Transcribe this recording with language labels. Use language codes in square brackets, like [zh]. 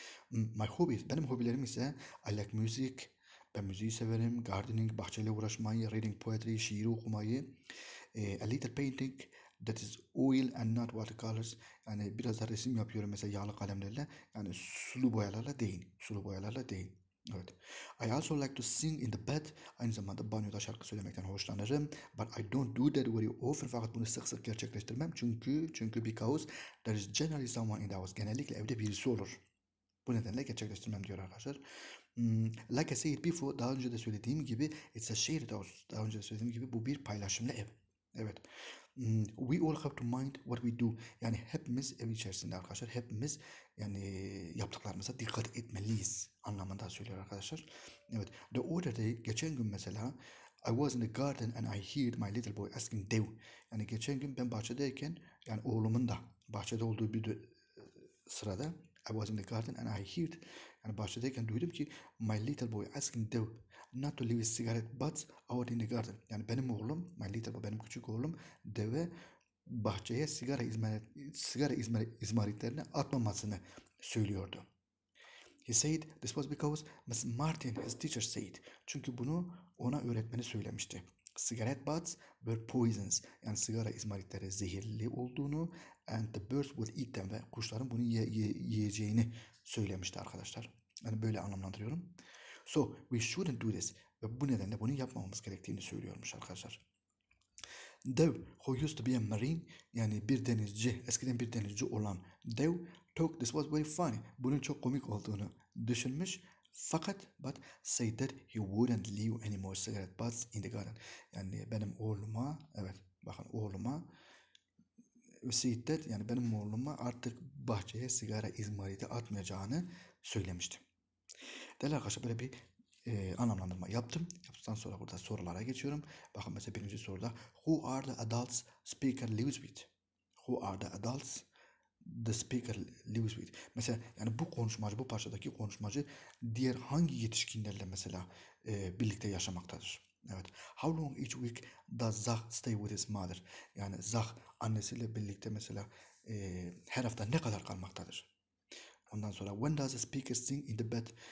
[en] My hobbies. [tr] Benim hobilerim ise [en] I like music. [tr] Ben müziği severim. [en] Gardening, [tr] bahçeyle uğraşmayı, [en] reading poetry, [tr] şiir okumayı. [en] A little painting. That is oil and not watercolors. [tr] Yani biraz da resim yapıyorum mesela yağlı kalemlerle. Yani sulu boyalarla değil. Evet. [en] I also like to sing in the bed. [tr] Aynı zamanda banyoda şarkı söylemekten hoşlanırım. [en] But I don't do that very often. [tr] Fakat bunu sık sık gerçekleştirmem. Çünkü [en] because there is generally someone in the house. [tr] Genellikle evde birisi olur. Bu nedenle gerçekleştirmem diyor arkadaşlar. [en] Like I said before. [tr] Daha önce de söylediğim gibi. [en] It's a shared house. [tr] Daha önce de söylediğim gibi bu bir paylaşımlı ev. Evet. [en] We all have to mind what we do. [tr] Yani hepimiz ev içerisinde arkadaşlar, hepimiz yani yaptıklarımıza dikkat etmeliyiz anlamında söylüyor arkadaşlar. Evet. [en] The other day, [tr] geçen gün mesela, [en] I was in the garden and I heard my little boy asking Dev. [tr] Yani geçen gün ben bahçedeyken, yani oğlumun da bahçede olduğu bir sırada, [en] I was in the garden and I heard, [tr] yani bahçedeyken duydum ki [en] my little boy asking Dev not to leave his cigarette butts out in the garden. [tr] Yani benim oğlum, [en] my little boy, [tr] benim küçük oğlum Dev'e bahçeye sigara izmaritlerini atmamasını söylüyordu. [en] said this was because Miss Martin, his teacher, said. [tr] Çünkü bunu ona öğretmeni söylemişti. [en] Cigarette butts were poisons. [tr] Yani sigara izmaritleri zehirli olduğunu [en] and the birds would eat them. [tr] Ve kuşların bunu yiyeceğini söylemişti arkadaşlar. Yani böyle anlamlandırıyorum. [en] So we shouldn't do this. [tr] Ve bu nedenle bunu yapmamamız gerektiğini söylüyormuş arkadaşlar. [en] Dev, who used to be a marine, [tr] yani bir denizci, eskiden bir denizci olan Dev, [en] talk this was very funny, [tr] bunun çok komik olduğunu düşünmüş. [en] Fakat, but said that he wouldn't leave any more cigarette butts in the garden. [tr] Yani benim oğluma, evet, bakın oğluma, [en] said that, [tr] yani benim oğluma artık bahçeye sigara izmariti atmayacağını söylemişti. Değerli arkadaşlar, böyle bir anlamlandırma yaptım. Yaptıktan sonra burada sorulara geçiyorum. Bakın mesela birinci soruda [en] Who are the adults speaker lives with? Who are the adults the speaker lives with? [tr] Mesela yani bu konuşmacı, bu parçadaki konuşmacı diğer hangi yetişkinlerle mesela birlikte yaşamaktadır? Evet. [en] How long each week does Zach stay with his mother? [tr] Yani Zach annesiyle birlikte mesela her hafta ne kadar kalmaktadır? Ondan sonra [en] When does the speaker sing in the bed?